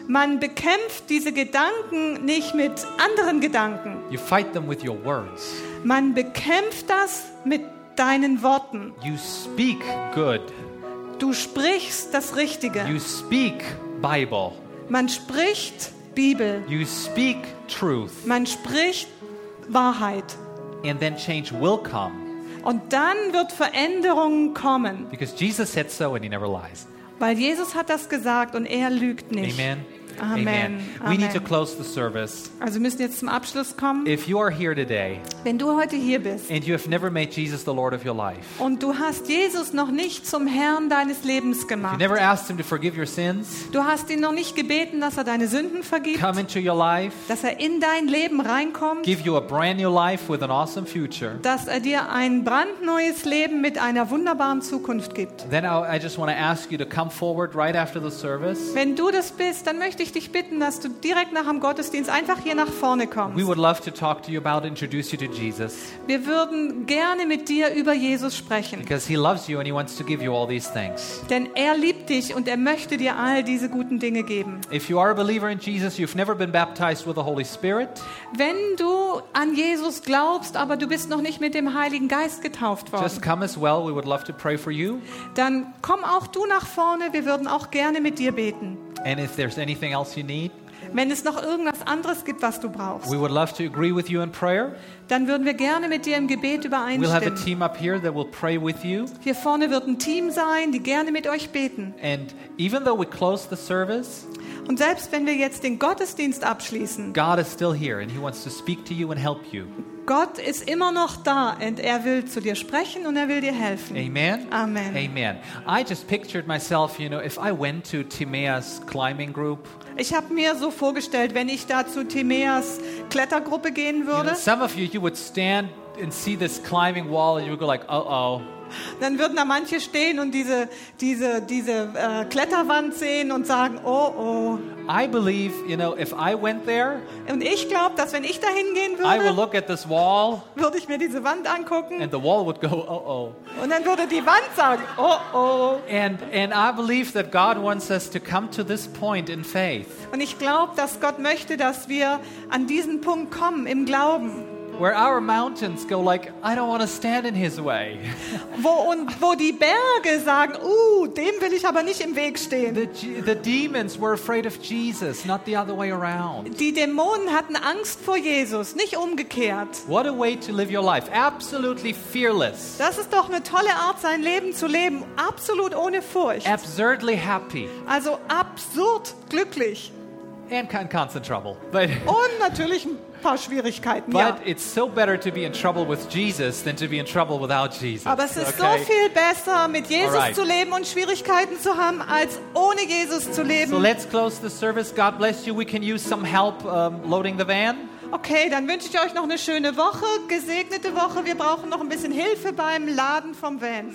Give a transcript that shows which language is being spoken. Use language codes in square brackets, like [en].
[de] Man bekämpft diese Gedanken nicht mit anderen Gedanken. [en] You fight them with your words. [de] Man bekämpft das mit deinen Worten. [en] You speak good. [de] Du sprichst das Richtige. [en] You speak Bible. [de] Man spricht Bibel. [en] You speak truth. [de] Man spricht Wahrheit. [en] And then change will come. [de] Und dann wird Veränderung kommen. [en] Because Jesus said so and he never lies. [de] Weil Jesus hat das gesagt und er lügt nicht. [en] Amen. [de] Amen. [en] Amen. We need to close the service. [de] Also müssen jetzt zum Abschluss kommen. [en] If you are here today, [de] wenn du heute hier bist, [en] and you have never made Jesus the Lord of your life, [de] und du hast Jesus noch nicht zum Herrn deines Lebens gemacht, [en] you never asked him to forgive your sins, [de] du hast ihn noch nicht gebeten, dass er deine Sünden vergibt, [en] come into your life, [de] dass er in dein Leben reinkommt, [en] give you a brand new life with an awesome future, [de] dass er dir ein brandneues Leben mit einer wunderbaren Zukunft gibt, [en] then I just want to ask you to come forward right after the service. [de] Wenn du das bist, dann möchte ich dich bitten, dass du direkt nach dem Gottesdienst einfach hier nach vorne kommst. [en] We would love to talk to you about, introduce you to Jesus. [de] Wir würden gerne mit dir über Jesus sprechen. [en] Because he loves you and he wants to give you all these things. [de] Denn er liebt dich und er möchte dir all diese guten Dinge geben. [en] If you are a believer in Jesus, you've never been baptized with the Holy Spirit. [de] Wenn du an Jesus glaubst, aber du bist noch nicht mit dem Heiligen Geist getauft worden. [en] Just come as well. We would love to pray for you. [de] Dann komm auch du nach vorne. Wir würden auch gerne mit dir beten. [en] And if there's anything else you need, [de] wenn es noch irgendwas anderes gibt, was du brauchst, [en] we would love to agree with you in prayer. [de] Dann würden wir gerne mit dir im Gebet übereinstimmen. [en] We'll have a team up here that will pray with you. [de] Hier vorne wird ein Team sein, die gerne mit euch beten. [en] And even though we close the service, [de] und selbst wenn wir jetzt den Gottesdienst abschließen, [en] God is still here and he wants to speak to you and help you. [de] Gott ist immer noch da und er will zu dir sprechen und er will dir helfen. [en] Amen. [de] Amen. [en] Amen. I just pictured myself, you know, if I went to Timaeus climbing group. [de] Ich habe mir so vorgestellt, wenn ich da zu Timaeus Klettergruppe gehen würde. [en] You know, some of you, you would stand and see this climbing wall and you would go like, uh-oh. [de] Dann würden da manche stehen und diese Kletterwand sehen und sagen, oh oh. [en] I believe, you know, if I went there, [de] und ich glaube, dass wenn ich da hingehen würde, [en] I would look at this wall, [de] würde ich mir diese Wand angucken, [en] and the wall would go, oh oh. [de] Und dann würde die Wand sagen, oh oh. [en] And I believe that God wants us to come to this point in faith. [de] Und ich glaube, dass Gott möchte, dass wir an diesen Punkt kommen im Glauben. [en] Where our mountains go like, I don't want to stand in his way. [de] Wo die Berge sagen, dem will ich aber nicht im Weg stehen. [en] The demons were afraid of Jesus, not the other way around. [de] Die Dämonen hatten Angst vor Jesus, nicht umgekehrt. [en] What a way to live your life, absolutely fearless. [de] Das ist doch eine tolle Art, sein Leben zu leben, absolut ohne Furcht. [en] Absurdly happy. [de] Also absurd glücklich. [en] And constant trouble. But [de] und natürlich ein paar Schwierigkeiten, [en] but [de] ja. [en] But it's so better to be in trouble with Jesus than to be in trouble without Jesus. [de] Aber es ist okay? So viel besser, mit Jesus right. zu leben und Schwierigkeiten zu haben, als ohne Jesus zu leben. [en] So let's close the service. God bless you. We can use some help loading the van. [de] Okay, dann wünsche ich euch noch eine schöne Woche, gesegnete Woche. Wir brauchen noch ein bisschen Hilfe beim Laden vom Van.